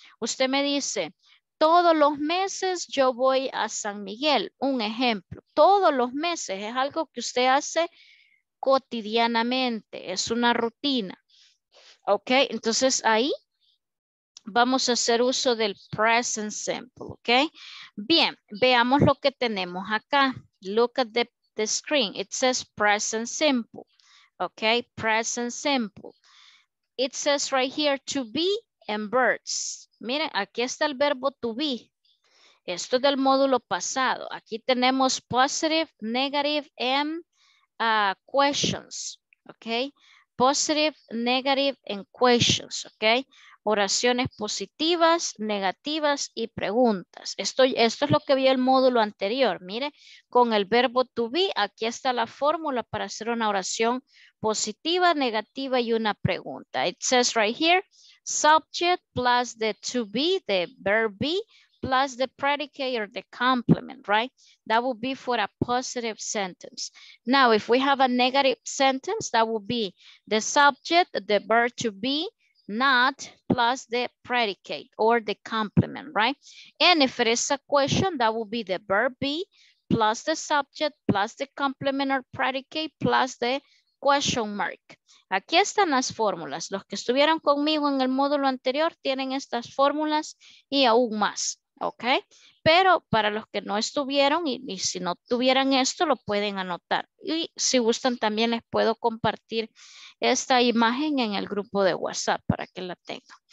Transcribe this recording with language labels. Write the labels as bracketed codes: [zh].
[es] Usted me dice, todos los meses yo voy a San Miguel, un ejemplo. Todos los meses es algo que usted hace cotidianamente, es una rutina. Ok, entonces ahí vamos a hacer uso del present simple. Ok, bien, veamos lo que tenemos acá. [en] Look at the screen, it says present simple. Ok, present simple. It says right here to be and verbs. [es] Miren, aquí está el verbo to be. Esto es del módulo pasado. Aquí tenemos [en] positive, negative, and questions, ok. Positive, negative, and questions, ok. [es] Oraciones positivas, negativas y preguntas. Esto es lo que vi el módulo anterior. Mire, con el verbo to be, aquí está la fórmula para hacer una oración positiva, negativa y una pregunta. [en] It says right here, subject plus the to be, the verb be, plus the predicate or the complement, right? That would be for a positive sentence. Now, if we have a negative sentence, that would be the subject, the verb to be, not, plus the predicate or the complement, right? And if it is a question, that would be the verb be, plus the subject, plus the complement or predicate, plus the question mark. [es] Aquí están las fórmulas. Los que estuvieron conmigo en el módulo anterior tienen estas fórmulas y aún más. Ok, pero para los que no estuvieron y si no tuvieran esto, lo pueden anotar. Y si gustan, también les puedo compartir esta imagen en el grupo de WhatsApp para que la tengan.